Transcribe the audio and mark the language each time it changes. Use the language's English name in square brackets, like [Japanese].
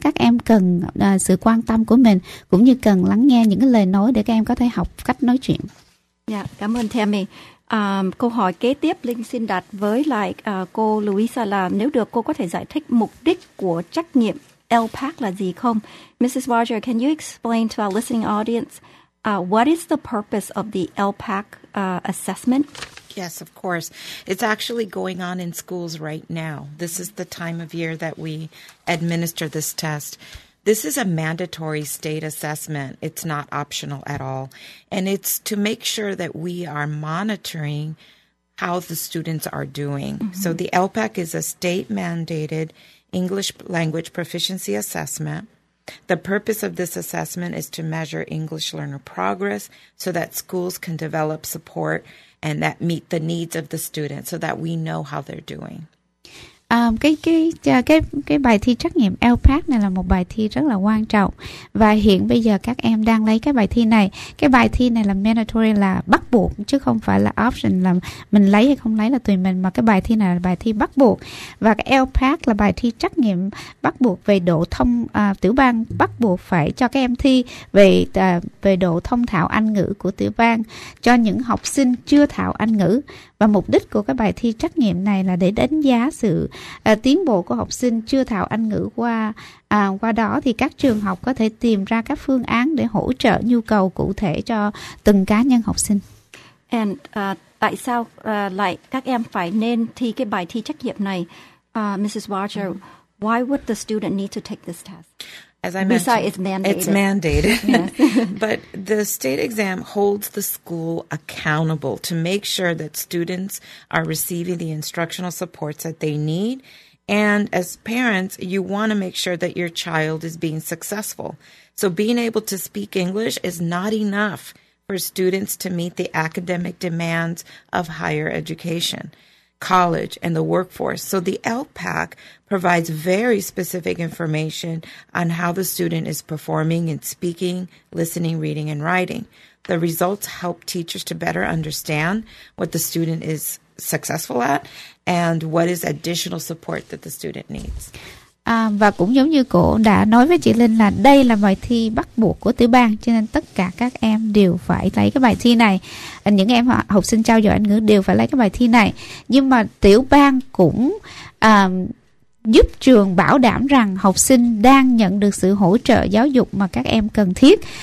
[Vietnamese] Các em cần sự quan tâm của mình, cũng như cần lắng nghe những cái lời nói để các em có thể học cách nói chuyện. Dạ, cảm ơn Tammy. Câu hỏi kế tiếp Linh xin đặt với lại cô Louisa là, nếu được cô có thể giải thích mục đích của trách nhiệm LPAC là gì không? [English] Mrs. Roger, can you explain to our listening audience what is the purpose of the LPAC assessment? Yes, of course. It's actually going on in schools right now. This is the time of year that we administer this test. This is a mandatory state assessment. It's not optional at all. And it's to make sure that we are monitoring how the students are doing. Mm-hmm. So the LPAC is a state-mandated English language proficiency assessment. The purpose of this assessment is to measure English learner progress so that schools can develop support and that meet the needs of the students so that we know how they're doing. [Vietnamese] Cái bài thi trắc nghiệm LPAC này là một bài thi rất là quan trọng, và hiện bây giờ các em đang lấy cái bài thi này. Cái bài thi này là mandatory, là bắt buộc, chứ không phải là option, là mình lấy hay không lấy là tùy mình, mà cái bài thi này là bài thi bắt buộc. Và cái LPAC là bài thi trắc nghiệm bắt buộc về độ thông tiểu bang, bắt buộc phải cho các em thi về độ thông thạo Anh ngữ của tiểu bang cho những học sinh chưa thạo Anh ngữ. Và mục đích của cái bài thi trắc nghiệm này là để đánh giá sự tiến bộ của học sinh chưa thạo Anh ngữ qua qua đó thì các trường học có thể tìm ra các phương án để hỗ trợ nhu cầu cụ thể cho từng cá nhân học sinh. [English] And [Vietnamese] tại sao lại các em phải nên thi cái bài thi trắc nghiệm này? [English] Mrs. Roger, why would the student need to take this test? As I mentioned, it's mandated. But the state exam holds the school accountable to make sure that students are receiving the instructional supports that they need. And as parents, you want to make sure that your child is being successful. So being able to speak English is not enough for students to meet the academic demands of higher education, college, and the workforce. So the LPAC provides very specific information on how the student is performing in speaking, listening, reading, and writing. The results help teachers to better understand what the student is successful at and what is additional support that the student needs. [Vietnamese] À, và cũng giống như cô đã nói với chị Linh là đây là bài thi bắt buộc của tiểu bang, cho nên tất cả các em đều phải lấy cái bài thi này. Những em học sinh trao dồi Anh ngữ đều phải lấy cái bài thi này. Nhưng mà tiểu bang cũng giúp trường bảo đảm rằng học sinh đang nhận được sự hỗ trợ giáo dục mà các em cần thiết.